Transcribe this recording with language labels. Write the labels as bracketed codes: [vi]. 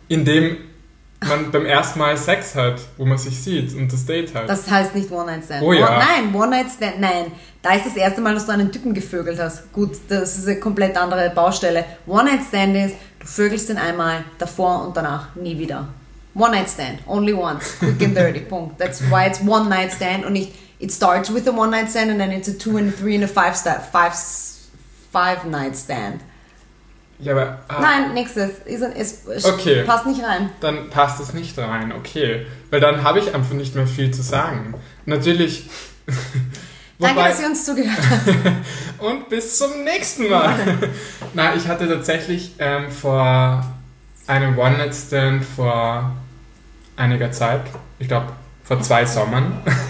[de] Indem man beim ersten Mal Sex hat, wo man sich sieht und das Date hat. Das heißt nicht One-Night-Stand. Oh ja. Nein, da ist das erste Mal, dass du einen Typen gevögelt hast. Gut, das ist eine komplett andere Baustelle. One-Night-Stand ist, du vögelst ihn einmal, davor und danach, nie wieder. [en] One-Night-Stand, only once, quick and dirty, Punkt. That's why it's One-Night-Stand [de] und nicht, [en] it starts with a One-Night-Stand and then it's a two and a three and a five-night-stand. [de] Ja, aber nein, nächstes. Okay. Passt nicht rein. Dann passt es nicht rein, okay. Weil dann habe ich einfach nicht mehr viel zu sagen. Natürlich. Danke, dass ihr uns zugehört habt. Und bis zum nächsten Mal. Nein, ich hatte tatsächlich vor einem One-Night-Stand vor einiger Zeit, ich glaube vor zwei Sommern.